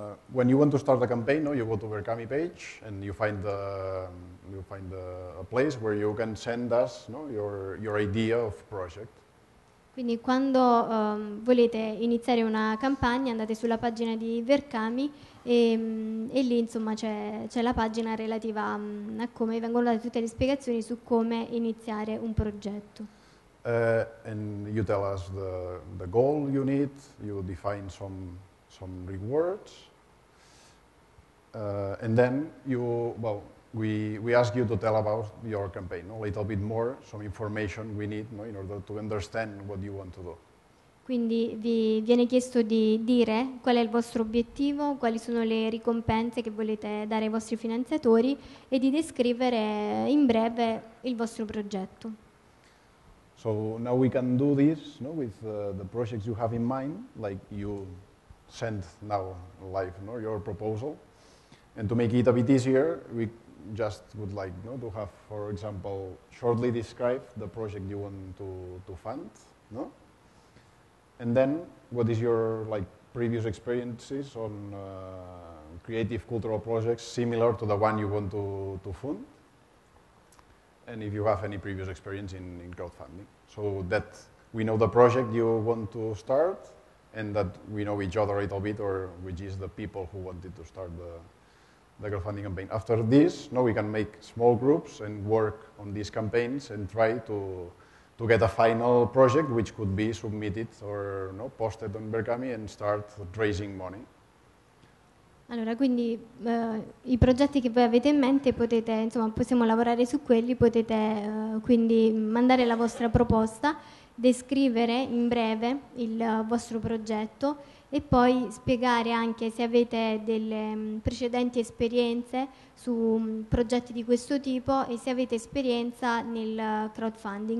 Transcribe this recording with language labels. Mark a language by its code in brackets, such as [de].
[en] When you want to start a campaign, no, you go to the Verkami page and you find a place where you can send us, no, your idea of project. [it] Quindi quando volete iniziare una campagna andate sulla pagina di Verkami e lì insomma c'è la pagina relativa a come vengono date tutte le spiegazioni su come iniziare un progetto. [en] And you tell us the goal you need, you define some rewards, and then we ask you to tell about your campaign, no? A little bit more, some information we need, no? In order to understand what you want to do. [it] Quindi vi viene chiesto di dire qual è il vostro obiettivo, quali sono le ricompense che volete dare ai vostri finanziatori e di descrivere in breve il vostro progetto. [en] So now we can do this, no? With the projects you have in mind, like you send now live, no? Your proposal, and to make it a bit easier, we just would like, no, to have, for example, shortly describe the project you want to fund, no? And then, what is your like previous experiences on creative cultural projects similar to the one you want to fund? And if you have any previous experience in crowdfunding, so that we know the project you want to start, and that we know each other a little bit, or which is the people who wanted to start the crowdfunding campaign. After this, now we can make small groups and work on these campaigns and try to get a final project which could be submitted or, you know, posted on Verkami and start raising money. [it] Allora, quindi i progetti che voi avete in mente potete, insomma, possiamo lavorare su quelli, potete quindi mandare la vostra proposta, descrivere in breve il vostro progetto e poi spiegare anche se avete delle precedenti esperienze su progetti di questo tipo e se avete esperienza nel crowdfunding.